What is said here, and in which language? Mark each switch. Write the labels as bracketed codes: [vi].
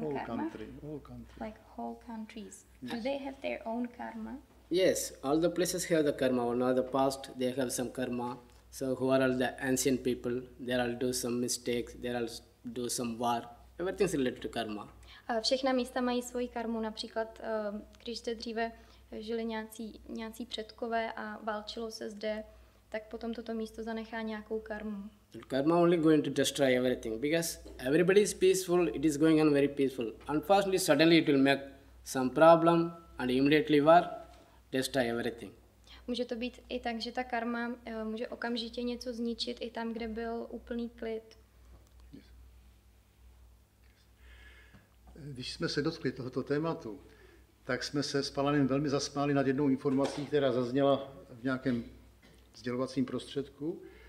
[en] whole karma? Whole country. Like whole countries. Yes. Do they have their own karma? Yes, all the places have the karma. Or not the past, they have some karma. So who are all the ancient people? They all do some mistakes. They all do some war. Everything is related to karma. [cs] Všechna místa mají svoji karmu. Například, když zde dříve žili nějací předkové a válčilo se zde, tak potom toto místo zanechá nějakou karmu. [en] Karma only going to destroy everything because everybody is peaceful. It is going on very peaceful. Unfortunately, suddenly it will make some problem and immediately war destroy everything. [cs] Může to být i tak, že ta karma může okamžitě něco zničit i tam, kde byl úplný klid. Když jsme se dotkli tohoto tématu, tak jsme se s Palanem velmi zasmáli nad jednou informací, která zazněla v nějakém sdělovacím prostředku.